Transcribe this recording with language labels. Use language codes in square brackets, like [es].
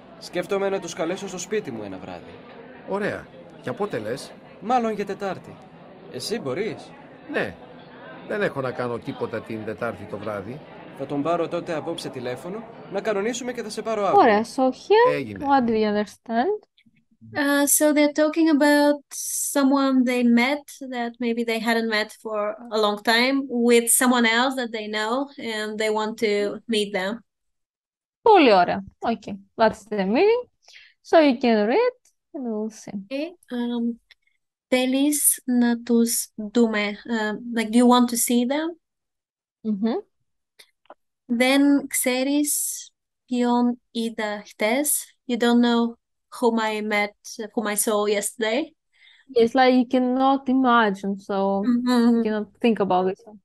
[el] Σκέφτομαι να τους καλέσω στο σπίτι μου ένα βράδυ. Ωραία. Για πότε λες? Μάλλον για Τετάρτη. Εσύ μπορείς? Ναι. Δεν έχω να κάνω τίποτα την Τετάρτη το βράδυ. Θα τον πάρω τότε απόψε τηλέφωνο. Να κανονίσουμε και θα σε πάρω αύριο. Ωραία, [en] so here, [el] έγινε. [en] What do you understand? So they're talking about someone they met that maybe they hadn't met for a long time with someone else that they know and they want to meet them. [el] Πολύ ωραία. [en] Okay, that's the meaning. So you can read and we'll see. [el] Okay. Θέλεις να τους δούμε. [en] Like, do you want to see them? [el] Δεν ξέρεις ποιον είδα χτες. [en] You don't know whom I met, whom I saw yesterday. It's like you cannot imagine, so you cannot think about it.